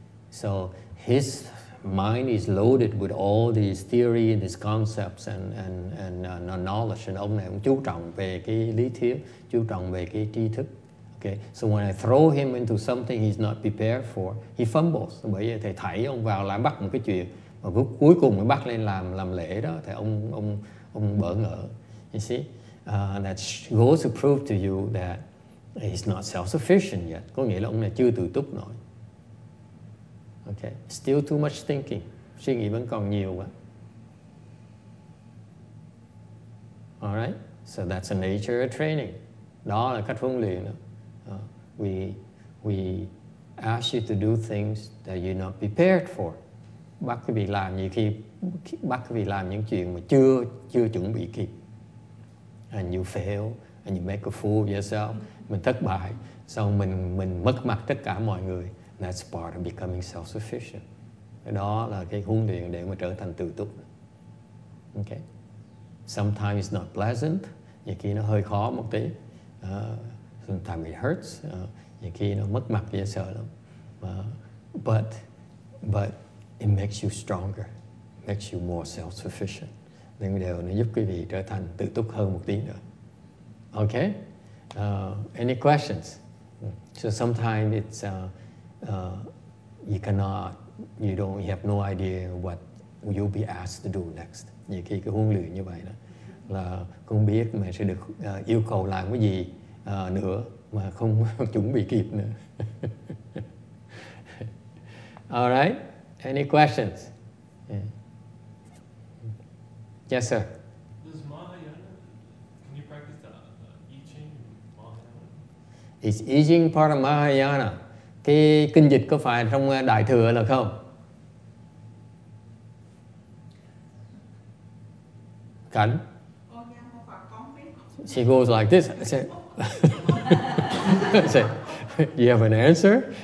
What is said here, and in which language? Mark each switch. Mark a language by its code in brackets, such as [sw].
[en] So his mind is loaded with all these theory and these concepts and knowledge. [vi] And ông này cũng chú trọng về cái lý thuyết, chú trọng về cái trí thức. [en] Okay. So when I throw him into something he's not prepared for, he fumbles. [vi] Bởi vậy thầy thảy ông vào làm bắt một cái chuyện mà cuối cùng mới bắt lên làm lễ đó, thì ông bỡ ngỡ. [en] You see, that goes to prove to you that he's not self-sufficient yet. [vi] Có nghĩa là ông này chưa tự túc nổi. [en] Okay, still too much thinking. [vi] Suy nghĩ vẫn còn nhiều quá. [en] All right, so that's the nature of training. [vi] Đó là cách huấn luyện đó. [en] We ask you to do things that you're not prepared for. [vi] Bắt quý vị làm nhiều khi bắt quý vị làm những chuyện mà chưa chuẩn bị kịp. [en] And you fail, and you make a fool of yourself. [vi] Mình thất bại, xong mình mất mặt tất cả mọi người. [en] That's part of becoming self-sufficient. [vi] Đó là cái huấn luyện để mà trở thành tự túc. Okay. [en] Sometimes it's not pleasant. [vi] Nhiều khi nó hơi khó một tí. [en] Sometimes it hurts. [vi] Nhiều khi nó mất mặt dễ sợ lắm. [en] But it makes you stronger, makes you more self-sufficient. [vi] Nên điều nó giúp quý vị trở thành tự túc hơn một tí nữa. [en] Okay. Any questions? So sometimes it's you cannot you don't have no idea what you'll be asked to do next. [vi] Nhiều khi cái huấn luyện như vậy đó là không biết mà sẽ được yêu cầu làm cái gì nữa mà không chuẩn bị kịp nữa. [en] All right, any questions? Yeah. Yes, sir. Does Mahayana, can you practice the I Ching Mahayana? Is I Ching part of Mahayana? [vi] Cái kinh dịch có phải trong Đại Thừa là không? Cẩn. [en] She goes like this. I said, you have an answer?